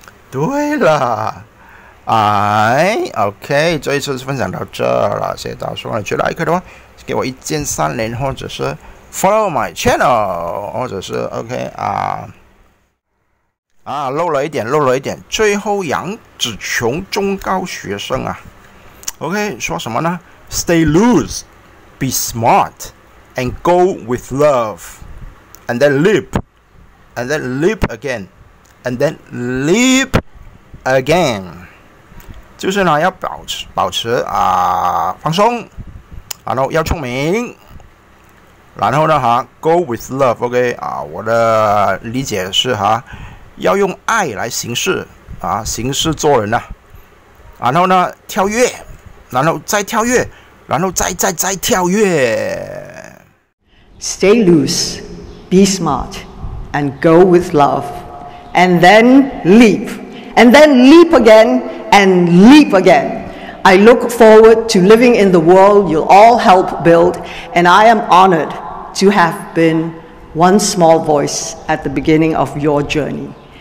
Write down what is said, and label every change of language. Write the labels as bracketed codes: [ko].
[zh] 对了，哎 ，OK， 这一次是分享到这了，谢谢大家收看。觉得 OK 的话，给我一键三连，或者是 [en] follow my channel， [zh] 或者是 OK 啊，漏了一点，漏了一点。最后，杨紫琼中高学生啊 ，OK， 说什么呢？ [en] Stay loose, be smart, and go with love, and then leap again, and then leap again. [zh] 就是呢，要保持啊放松，然后要聪明，然后呢哈 ， [en] go with love. [zh] OK 啊，我的理解是哈，要用爱来行事啊，行事做人呐、啊。然后呢，跳跃，然后再跳跃。然后再跳跃。 [en] Stay loose, be smart, and go with love, and then leap, and then leap again, and leap again. I look forward to living in the world you'll all help build, and I am honored to have been one small voice at the beginning of your journey.